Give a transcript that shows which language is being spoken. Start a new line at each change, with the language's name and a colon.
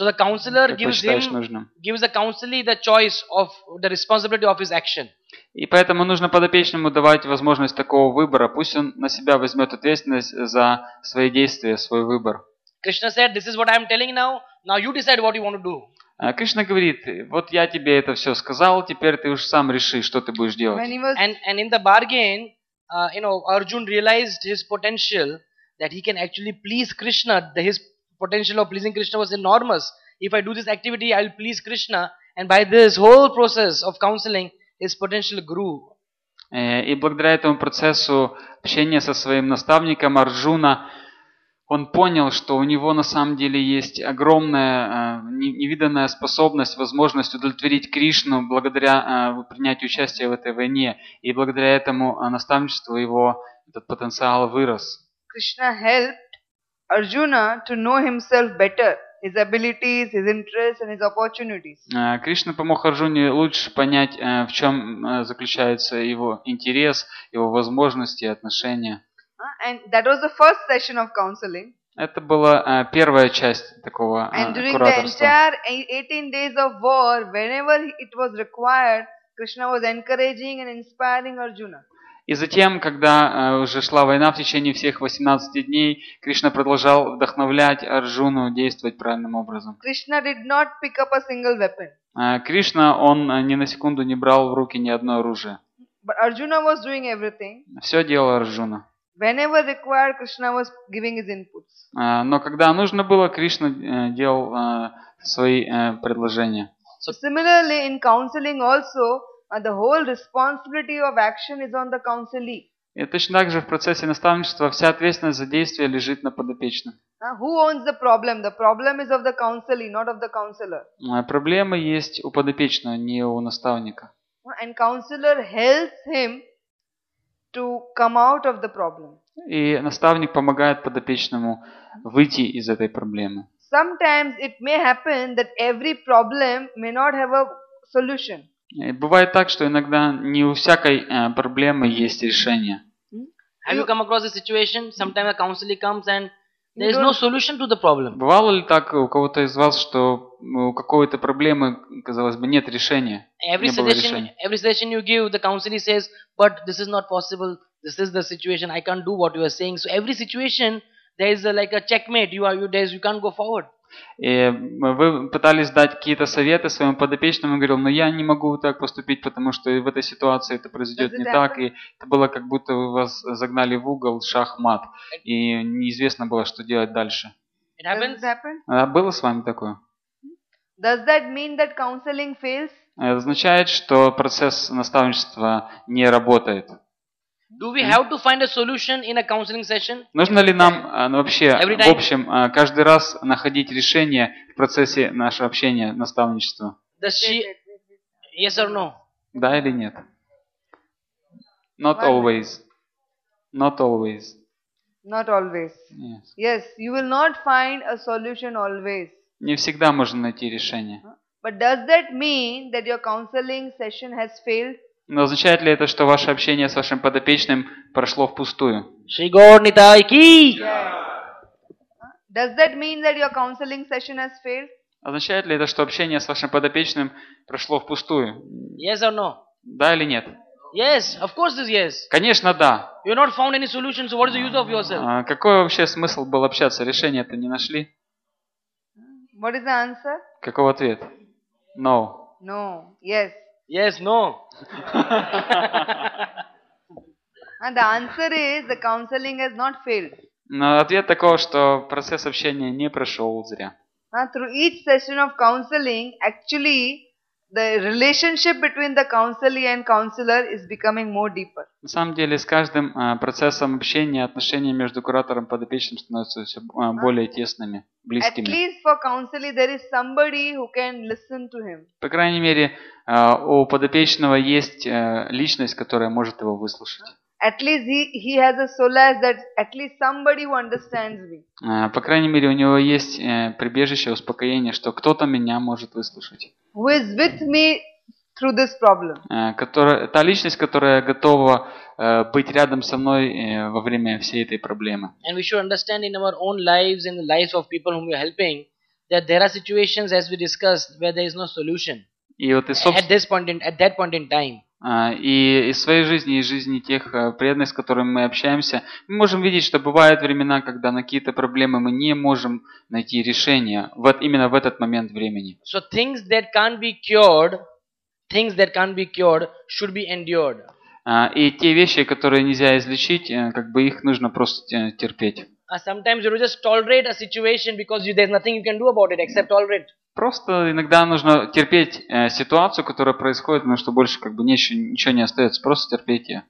English: So the counselor gives the counselee the choice of the responsibility of his action.
Russian: И поэтому нужно подопечному давать возможность такого выбора. Пусть он на себя возьмет ответственность за свои действия, свой выбор.
English: Krishna said, "This is what I am telling now. Now you decide what you want to do."
Russian: Кришна говорит: "Вот я тебе это все сказал. Теперь ты уж сам реши, что ты будешь делать."
English: And in the bargain, Arjun realized his potential that he can actually please Krishna. Potential of pleasing Krishna was enormous. If I do this activity, I'll please Krishna, and by this whole process of counseling, his potential grew.
Russian: И благодаря этому процессу общения со своим наставником Арджуна, он понял, что у него на самом деле есть огромная невиданная способность, возможность удовлетворить Кришну благодаря принятию участия в этой войне, и благодаря этому наставничеству его этот потенциал вырос.
English: Krishna helped Arjuna to know himself better, his abilities, his interests, and his opportunities.
Russian: Кришна помог Арджуне лучше понять, в чем заключается его интерес, его возможности, отношения.
English: And that was the first session of counseling.
Russian: Это была первая часть такого кураторства.
English: And during the entire 18 days of war, whenever it was required, Krishna was encouraging and inspiring Arjuna.
Russian: И затем, когда уже шла война в течение всех 18 дней, Кришна продолжал вдохновлять Арджуну действовать правильным образом.
English: Krishna did not pick up a single weapon.
Russian: Кришна, он ни на секунду не брал в руки ни одно оружие.
English: But Arjuna was doing everything.
Russian: Все делал Арджуна.
English: Whenever required, Krishna was giving his inputs.
Russian: Но когда нужно было, Кришна делал свои предложения.
English: So, similarly, in counseling also, the whole responsibility of action is on the counselee.
Russian: И точно так же в процессе наставничества вся ответственность за действие лежит на подопечном.
English: Who owns the problem? The problem is of the counselee, not of the counselor.
Russian: Проблема есть у подопечного, не у наставника.
English: And counselor helps him to come out of the problem.
Russian: И наставник помогает подопечному выйти из этой проблемы.
English: sometimes it may happen that every problem may not have a solution.
Russian: Бывает так, что иногда не у всякой проблемы есть решение.
English: Have you come across a situation? Sometimes a counselor comes and there is no solution to the problem.
Russian: Бывало ли так у кого-то из вас, что у какой-то проблемы, казалось бы, нет решения?
English: Every suggestion you give, the counselor says, but this is not possible. This is the situation. I can't do what you are saying. So every situation there is like a checkmate. You can't go forward.
Russian: И вы пытались дать какие-то советы своему подопечному, он говорил, но я не могу так поступить, потому что в этой ситуации это произойдет не так, и это было как будто вы вас загнали в угол, шахмат, и неизвестно было, что делать дальше.
English: It happened?
Russian: А было с вами такое?
English: Does that mean that counseling fails?
Russian: Это означает, что процесс наставничества не работает.
English: Do we have to find a solution in a counseling session?
Russian: Нужно ли нам вообще в общем каждый раз находить решение в процессе нашего общения, наставничества?
English: Does she? Yes or no?
Russian: Да или нет?
English: Not always. Not always. Not always. Yes. Yes, you will not find a solution always.
Russian: Не всегда можно найти решение.
English: But does that mean that your counseling session has failed?
Russian: Но означает ли это, что ваше общение с вашим подопечным прошло впустую?
Hindi: Shri Gornitai ki!
English: Does that mean that your counseling session has failed?
Russian: Означает ли это, что общение с вашим подопечным прошло впустую?
English: Yes or no?
Russian: Да или нет?
English: Yes, of course it is yes.
Russian: Конечно, да.
English: You not found any solution, so what is the use of yourself?
Russian: Какой вообще смысл был общаться? Решение-то не нашли?
English: What is the answer?
Russian: Каков ответ?
English: No. No, yes. Yes, no. And the answer is the counseling has not failed.
Russian: Но ответ такой, что процесс общения не прошел зря.
English: Through each session of counseling, actually, the relationship between the counselee and counselor is becoming more deeper.
Russian: На самом деле, с каждым процессом общения отношения между куратором и подопечным становятся все более тесными, близкими.
English: At least for counselee, there is somebody who can listen to him.
Russian: По крайней мере, у подопечного есть личность, которая может его выслушать.
English: At least he has a solace that at least somebody who understands me.
Russian: По крайней мере, у него есть прибежище, успокоение, что кто-то меня может выслушать.
English: Who is with me through this problem?
Russian: Та личность, которая готова быть рядом со мной во время всей этой проблемы.
English: And we should understand in our own lives, in the lives of people whom we are helping, that there are situations, as we discussed, where there is no solution. At that point in time.
Russian: И из своей жизни, из жизни тех преданных, с которыми мы общаемся, мы можем видеть, что бывают времена, когда на какие-то проблемы мы не можем найти решение, вот именно в этот момент времени.
English: So things that can't be cured should be endured.
Russian: И те вещи, которые нельзя излечить, как бы их нужно просто терпеть.
English: Sometimes you just tolerate a situation because there's nothing you can do about it except tolerate.
Russian: Просто иногда нужно терпеть ситуацию, которая происходит, потому что больше как бы ничего не остается, просто терпеть ее.